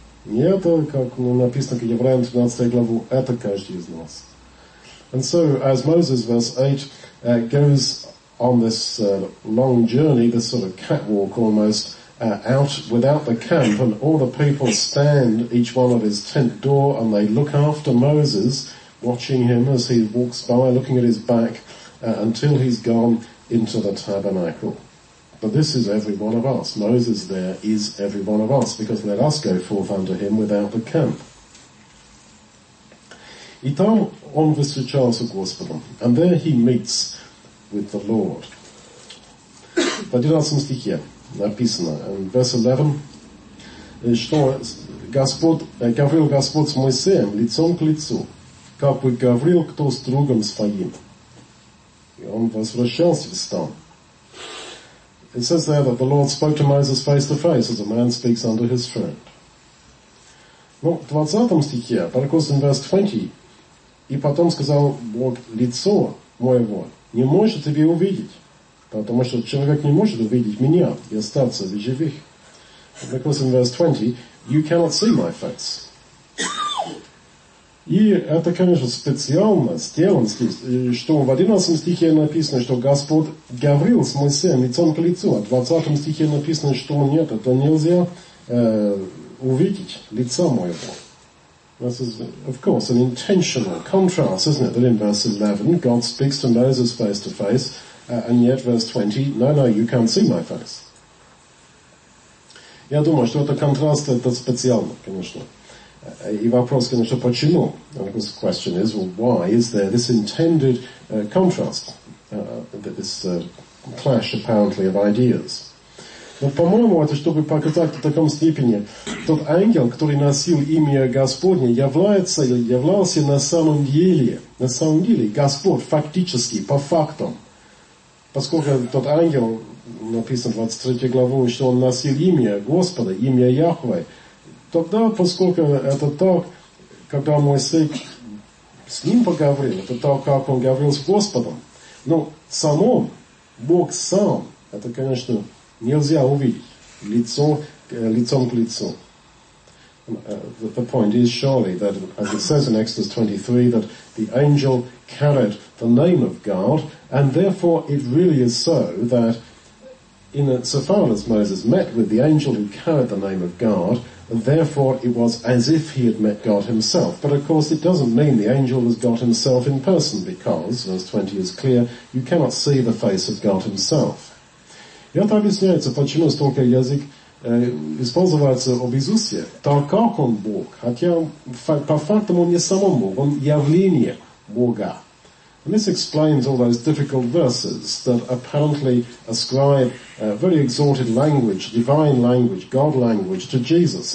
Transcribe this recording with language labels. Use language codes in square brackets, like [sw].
[ru] Не это, как написано к Евреям 13 главу, это каждый из нас. [en] And so, as Moses, verse 8, goes on this long journey, this sort of catwalk almost, out without the camp, and all the people stand, each one at his tent door, and they look after Moses, watching him as he walks by, looking at his back, until he's gone into the tabernacle. But this is every one of us. Moses there is every one of us, because let us go forth unto him without the camp. [ru] И там он встречался с Господом. [en] And there he meets with the Lord. [ru] В 11 стихе написано, [en] in verse 11, [ru] что Господь, говорил Господь с Моисеем лицом к лицу, как бы говорил кто с другом своим. И он возвращался в стан. [en] It says there that the Lord spoke to Moses face to face, as a man speaks unto his friend. [ru] Ну, в 20 стихе, [en] because in verse 20, [ru] и потом сказал Бог, лицо моего не может тебе увидеть, потому что человек не может увидеть меня и остаться в живых. [en] Because in verse 20, you cannot see my face. [ru] И это, конечно, специально сделано здесь, что в 11 стихе написано, что Господь говорил с Моисеем лицом к лицу, а в 20 стихе написано, что нет, это нельзя увидеть лица моего. [en] This is, of course, an intentional contrast, isn't it, that in verse 11, God speaks to Moses face to face, and yet verse 20, no, you can't see my face. [ru] Я думаю, что это контраст, это специально, конечно. И вопрос, конечно, почему? [en] And of course, the question is, well, why is there this intended contrast, this clash, apparently, of ideas? [ru] Но, по-моему, это чтобы показать в таком степени, тот ангел, который носил имя Господне, является или являлся на самом деле, Господь фактически, по фактам. Поскольку тот ангел, написано в 23 главу, что он носил имя Господа, имя Яхве, тогда, поскольку это так, когда Моисей с ним поговорил, это так, как он говорил с Господом, но самом, Бог сам, это, конечно, нельзя увидеть лицом к лицу. [en] The point is surely that, as it says in Exodus 23, that the angel carried the name of God, and therefore it really is so that so far as Moses met with the angel who carried the name of God, therefore it was as if he had met God himself. But of course it doesn't mean the angel was God himself in person, because, verse 20 is clear, you cannot see the face of God himself. [ru] И это объясняется, почему столько язык используется об Иисусе, так как он Бог, хотя по факту он не сам Бог, он явление Бога. [en] And this explains all those difficult verses that apparently ascribe very exalted language, divine language, God language to Jesus.